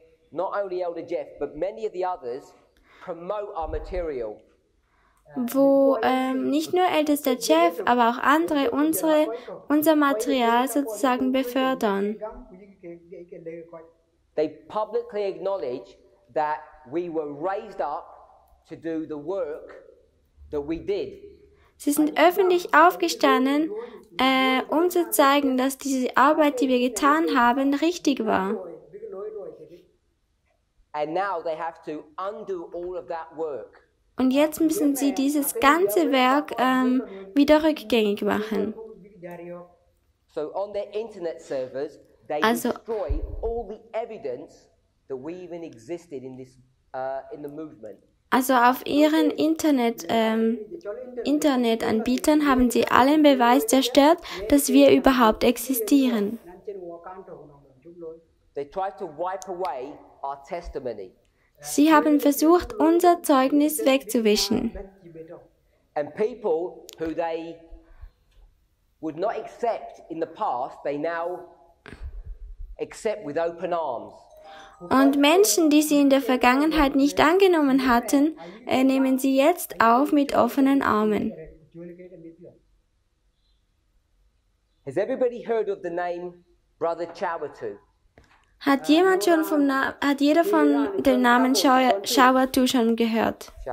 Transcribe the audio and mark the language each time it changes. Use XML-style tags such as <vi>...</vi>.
<en>not only Elder Jeff, but many of the others promote our material.</en> <de>Wo nicht nur Ältester Jeff, aber auch andere unser Material sozusagen befördern.</de> <en>They publicly acknowledge that we were raised up to do the work that we did.</en> <de>Sie sind öffentlich aufgestanden, um zu zeigen, dass diese Arbeit, die wir getan haben, richtig war.</de> <en>And now they have to undo all of that work.</en> <de>Und jetzt müssen sie dieses ganze Werk wieder rückgängig machen.</de> <en>So on their internet servers, they destroy all the evidence that we even existed in this in the movement.</en> <de>Also auf ihren Internetanbietern haben sie allen Beweis zerstört, dass wir überhaupt existieren.</de> <en>They try to wipe away our testimony.</en> <de>Sie haben versucht, unser Zeugnis wegzuwischen.</de> <en>And people who they would not accept in the past, they now accept with open arms.</en> <de>Und Menschen, die sie in der Vergangenheit nicht angenommen hatten, nehmen sie jetzt auf mit offenen Armen.</de> <en>Has everybody heard of the name Brother Chawatu?</en> <de>Hat jemand schon vom jeder von dem Namen Chawatu schon gehört?</de>